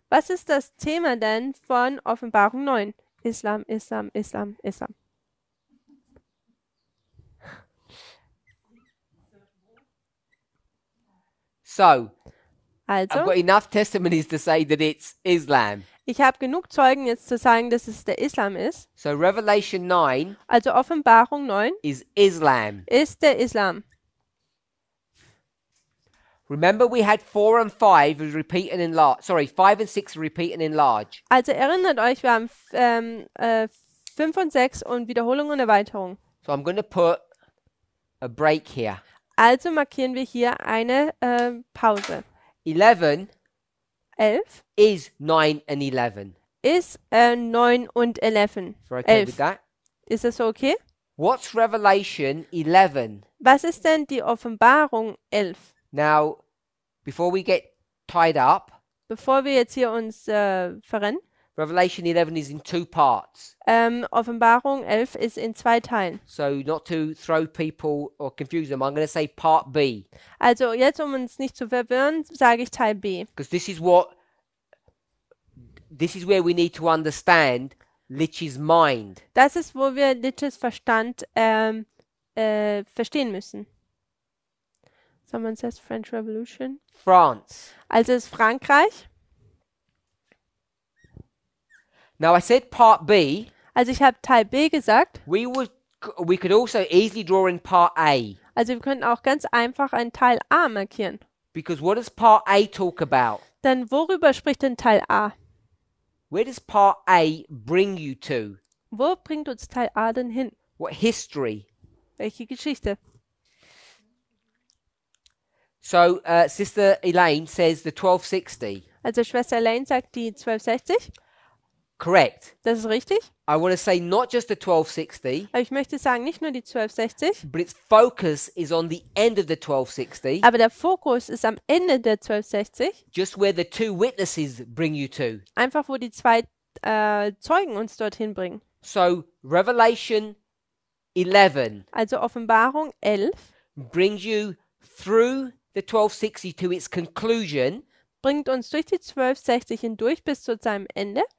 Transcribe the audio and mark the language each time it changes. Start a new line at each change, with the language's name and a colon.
German: Was ist das Thema denn von Offenbarung 9? Islam, Islam, Islam, Islam.
English: So.
German: Also,
English: I've got enough testimonies to say that it's Islam.
German: Ich habe genug Zeugen jetzt zu sagen, dass es der Islam ist.
English: So Revelation 9,
German: also Offenbarung 9,
English: is Islam.
German: Ist der Islam.
English: Remember we had 4 and 5 we repeat and enlarge. Sorry, 5 and 6 repeat and enlarge.
German: Also erinnert euch, wir haben 5 und 6 und Wiederholung und Erweiterung.
English: So I'm going to put a break here.
German: Also markieren wir hier eine Pause.
English: 11
German: 11
English: is 9 and 11.
German: Ist 9 und 11.
English: Okay 11. With that?
German: Ist das okay?
English: What's Revelation 11?
German: Was ist denn die Offenbarung 11?
English: Now, before we get tied up.
German: Bevor wir jetzt hier uns verrennen.
English: Revelation 11 is in two parts.
German: Offenbarung 11 ist in zwei Teilen.
English: So not to throw people or confuse them, I'm going to say part B.
German: Also jetzt, um uns nicht zu verwirren, sage ich Teil B.
English: Because this is where we need to understand Litch's mind.
German: Das ist, wo wir Litch's Verstand verstehen müssen.
English: Someone says French Revolution. France.
German: Also ist Frankreich.
English: Now I said part B.
German: Also ich habe Teil B gesagt.
English: We could also easily draw in part A.
German: Also wir könnten auch ganz einfach einen Teil A markieren.
English: Because what does part A talk about?
German: Denn worüber spricht denn Teil A?
English: Where does part A bring you to?
German: Wo bringt uns Teil A denn hin?
English: What history?
German: Welche Geschichte?
English: So Sister Elaine says the 1260.
German: Also Schwester Elaine sagt die 1260.
English: Correct.
German: Das ist richtig.
English: I want to say not just the 1260.
German: Aber ich möchte sagen, nicht nur die 1260.
English: But its focus is on the end of the 1260.
German: Aber der Fokus ist am Ende der 1260.
English: Just where the two witnesses bring you to.
German: Einfach wo die zwei Zeugen uns dorthin bringen.
English: So Revelation 11.
German: Also Offenbarung 11.
English: Brings you through the 1260 to its conclusion.
German: Bringt uns durch die 1260 hindurch bis zu seinem Ende.